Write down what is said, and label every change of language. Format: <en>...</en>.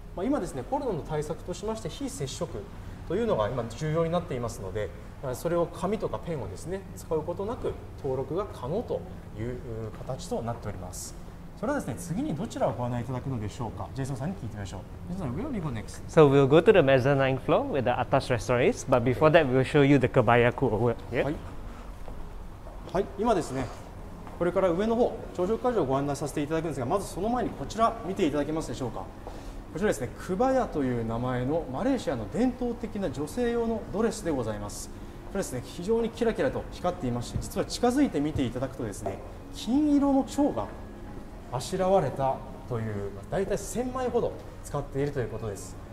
<ja>今ですね、コロナの対策としまして非接触というのが今重要になっていますので、それを紙とかペンをですね使うことなく登録が可能という形となっております。それはですね、次にどちらをご案内いただくのでしょうか。ジェイソンさんに聞いてみましょう。</ja> <en>ジェイソン、we'll go next. So we'll go to the mezzanine floor with the attached restaurants, but before that, we'll show you the kabayaku over here.</en> <ja>はい、はい、今ですね、これから上の方、頂上会場をご案内させていただくんですが、まずその前にこちら見ていただけますでしょうか。こちらですね、クバヤという名前のマレーシアの伝統的な女性用のドレスでございます。これですね、非常にキラキラと光っていまして、実は近づいて見ていただくとですね、金色の蝶があしらわれたという、だいたい1000枚ほど使っているということです。</ja>